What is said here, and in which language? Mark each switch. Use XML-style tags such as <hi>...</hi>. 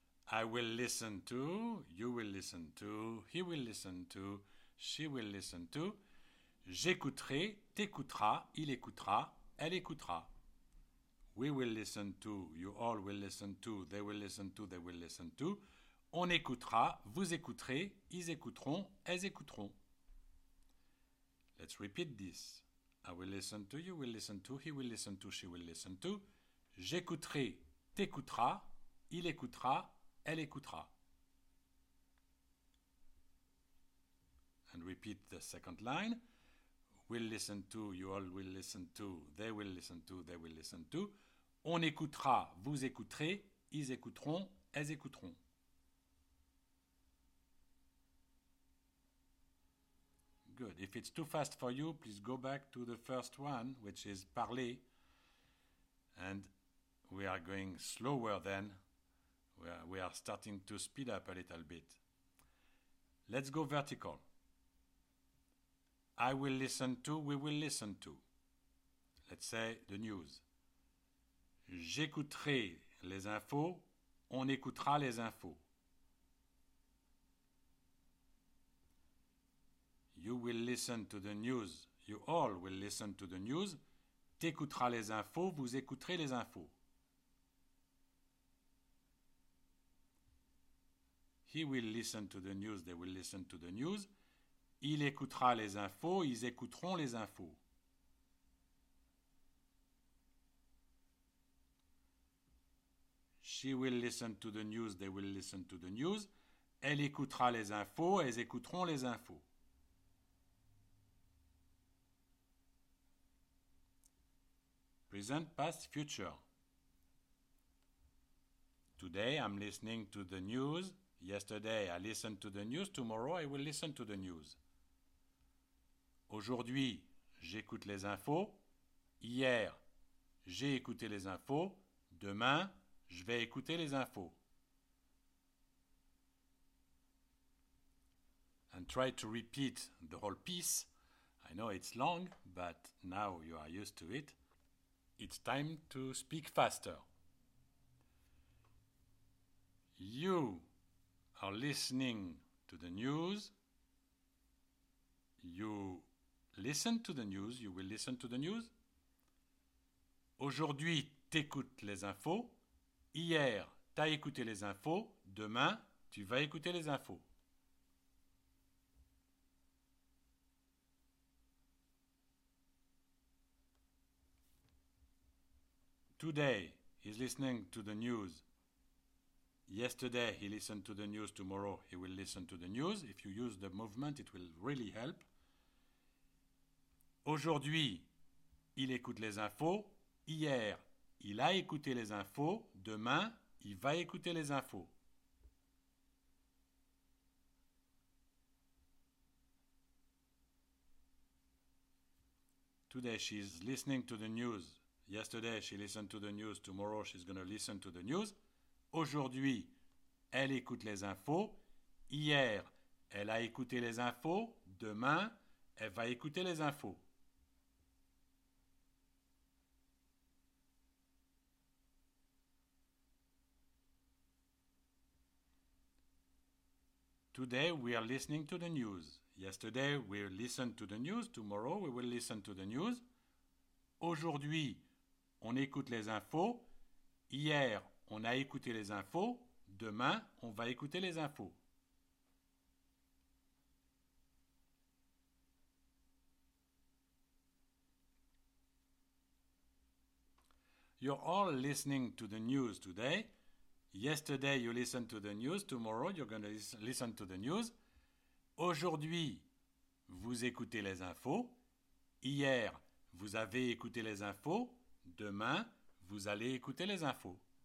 <en>I will listen to, you will listen to, he will listen to, she will listen to.</en> <fr>J'écouterai, t'écouteras, il écoutera, elle écoutera.</fr> <en>We will listen to, you all will listen to, they will listen to, they will listen to.</en> <fr>On écoutera, vous écouterez, ils écouteront, elles écouteront.</fr> <en>Let's repeat this. I will listen to, you will listen to, he will listen to, she will listen to.</en> <fr>J'écouterai, t'écouteras, il écoutera, elle écoutera.</fr> <en>And repeat the second line. We'll listen to, you all will listen to, they will listen to, they will listen to.</en> <fr>On écoutera, vous écouterez, ils écouteront, elles écouteront.</fr> <en>Good. If it's too fast for you, please go back to the first one, which is parler. And we are going slower then. We are starting to speed up a little bit. Let's go vertical. I will listen to, we will listen to. Let's say the news.</en> <fr>J'écouterai les infos, on écoutera les infos.</fr> <en>You will listen to the news. You all will listen to the news.</en> <fr>T'écouteras les infos, vous écouterez les infos.</fr> <en>He will listen to the news. They will listen to the news.</en> <fr>Il écoutera les infos, ils écouteront les infos.</fr> <en>She will listen to the news. They will listen to the news.</en> <fr>Elle écoutera les infos, elles écouteront les infos.</fr> <en>Present, past, future. Today I'm listening to the news. Yesterday I listened to the news. Tomorrow I will listen to the news.</en> <fr>Aujourd'hui, j'écoute les infos. Hier, j'ai écouté les infos. Demain, je vais écouter les infos.</fr> <en>And try to repeat the whole piece. I know it's long, but now you are used to it. It's time to speak faster. You are listening to the news. You listen to the news. You will listen to the news.</en> <fr>Aujourd'hui, t'écoutes les infos. Hier, t'as écouté les infos. Demain, tu vas écouter les infos.</fr> <en>Today, he's listening to the news. Yesterday, he listened to the news. Tomorrow, he will listen to the news. If you use the movement, it will really help.</en> <fr>Aujourd'hui, il écoute les infos. Hier, il a écouté les infos. Demain, il va écouter les infos.</fr> <en>Today, she's listening to the news. Yesterday, she listened to the news. Tomorrow, she's going to listen to the news.</en> <fr>Aujourd'hui, elle écoute les infos. Hier, elle a écouté les infos. Demain, elle va écouter les infos.</fr> <en>Today, we are listening to the news. Yesterday, we listened to the news. Tomorrow, we will listen to the news.</en> <fr>Aujourd'hui, on écoute les infos. Hier, on a écouté les infos. Demain, on va écouter les infos.</fr> <en>You're all listening to the news today. Yesterday, you listened to the news. Tomorrow, you're going to listen to the news.</en> <fr>Aujourd'hui, vous écoutez les infos. Hier, vous avez écouté les infos. Demain, vous allez écouter les infos.</fr>